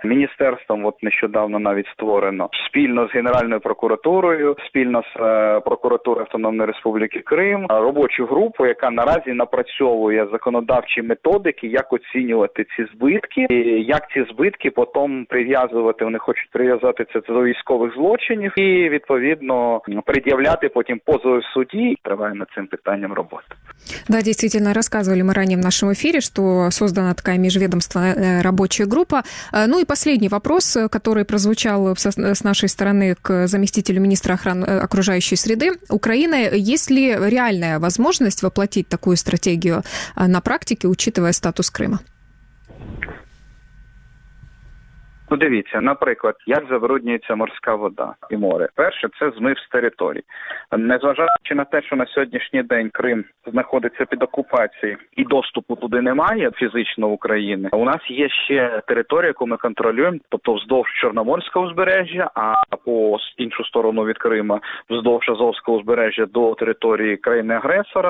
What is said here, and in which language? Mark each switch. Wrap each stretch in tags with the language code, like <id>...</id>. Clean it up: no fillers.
<uk>Міністерством, от нещодавно навіть створено, спільно з Генеральною прокуратурою, спільно з прокуратурою Автономної Республіки Крим, робочу групу, яка наразі напрацьовує законодавчі методики, як оцінювати ці збитки, і як ці збитки потім прив'язувати, вони хочуть прив'язати це до військових злочинів, і, відповідно, пред'являти потім позов в суді, триває над цим питанням робота.</uk> <ru>Да, действительно, рассказывали мы ранее в нашем эфире, что создана такая межведомственная рабочая группа. Ну и последний вопрос, который прозвучал с нашей стороны к заместителю министра охраны окружающей среды. Украина, есть ли реальная возможность воплотить такую стратегию на практике, учитывая статус Крыма?</ru> <uk>Ну, дивіться, наприклад, як забруднюється морська вода і море. Перше, це змив з території. Незважаючи на те, що на сьогоднішній день Крим знаходиться під окупацією і доступу туди немає фізично в Україні, у нас є ще територія, яку ми контролюємо, тобто вздовж Чорноморського узбережжя, а по іншу сторону від Крима, вздовж Азовського узбережжя до території країни-агресора.</uk>